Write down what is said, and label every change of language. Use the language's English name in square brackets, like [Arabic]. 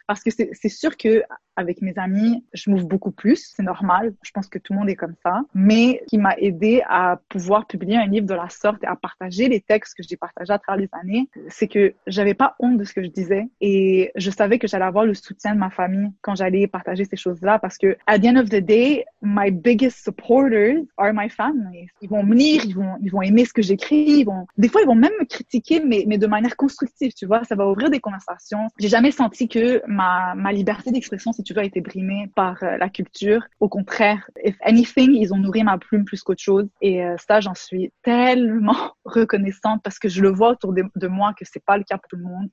[French] Parce que c'est sûr que avec mes amis, je m'ouvre beaucoup plus. C'est normal. Je pense que tout le monde est comme ça. Mais qui m'a aidée à pouvoir publier un livre de la sorte et à partager les textes que j'ai partagés à travers les années, c'est que j'avais pas honte de ce que je disais. Et je savais que j'allais avoir le soutien de ma famille quand j'allais partager ces choses-là. Parce que, à [English] the end of the day, my biggest supporters are my family. [French] Ils vont me lire, ils vont aimer ce que j'écris. Des fois, ils vont même me critiquer, mais de manière constructive, tu vois. Ça va ouvrir des conversations. J'ai jamais senti que ma liberté d'expression, si tu veux, a été brimé par la culture. Au contraire, [English] if anything, [French] ils ont nourri ma plume plus qu'autre chose. Et ça, j'en suis tellement reconnaissante parce que je le vois autour de moi que c'est pas le cas pour tout le monde.